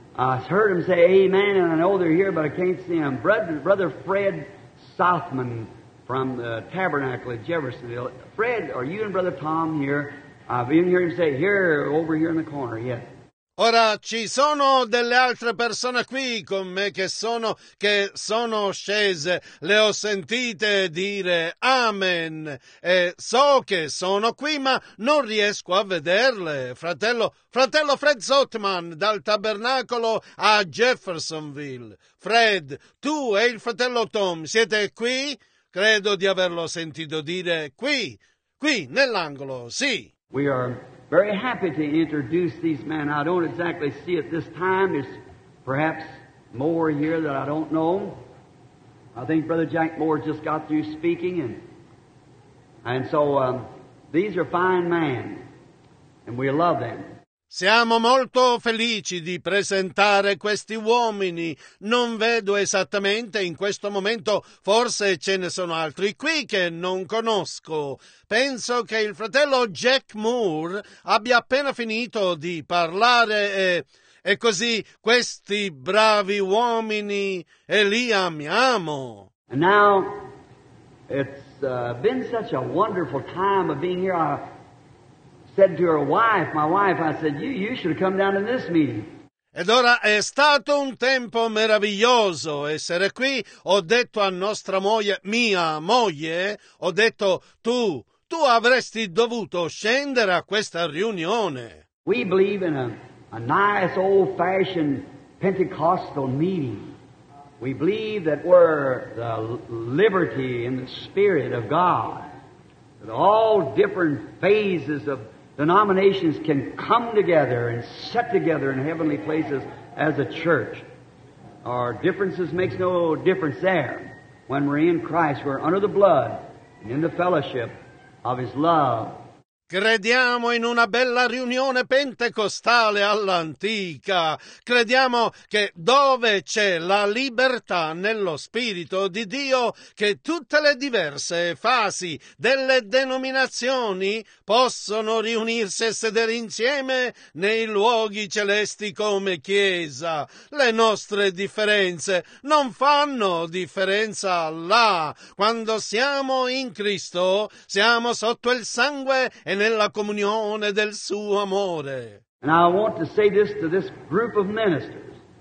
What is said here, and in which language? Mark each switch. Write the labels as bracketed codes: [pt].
[en] I heard them say amen, and I know they're here, but I can't see them. Brother Fred Southman from the Tabernacle at Jeffersonville. Fred, are you and Brother Tom here? I've been hearing him say, here, over here in the corner, yes. [it] Ora, ci sono delle altre persone qui con me che sono scese. Le ho sentite dire amen. E so che sono qui, ma non riesco a vederle. Fratello Fred Zottman, dal tabernacolo a Jeffersonville. Fred, tu e il fratello Tom, siete qui? Credo di averlo sentito dire qui, nell'angolo, sì. [en] We are very happy to introduce these men. I don't exactly see at this time. There's perhaps more here that I don't know. I think Brother Jack Moore just got through speaking. And so these are fine men, and we love them. [it] Siamo molto felici di presentare questi uomini. Non vedo esattamente in questo momento, forse ce ne sono altri qui che non conosco. Penso che il fratello Jack Moore abbia appena finito di parlare e così questi bravi uomini e li amiamo. [en] And now it's been such a wonderful time of being here. Said to her wife, my wife, I said, you should have come down to this meeting. [it] Ed ora è stato un tempo meraviglioso essere qui. Ho detto a nostra moglie, mia moglie, ho detto, tu avresti dovuto scendere a questa riunione. [en] We believe in a nice old-fashioned Pentecostal meeting. We believe that we're the liberty in the Spirit of God. That all different phases of denominations can come together and set together in heavenly places as a church. Our differences makes no difference there. When we're in Christ, we're under the blood and in the fellowship of His love. [it] Crediamo in una bella riunione pentecostale all'antica. Crediamo che dove c'è la libertà nello Spirito di Dio, che tutte le diverse fasi delle denominazioni possono riunirsi e sedere insieme nei luoghi celesti come Chiesa. Le nostre differenze non fanno differenza là. Quando siamo in Cristo, siamo sotto il sangue e nella comunione del suo amore. [en] And I want to say this to this group of ministers.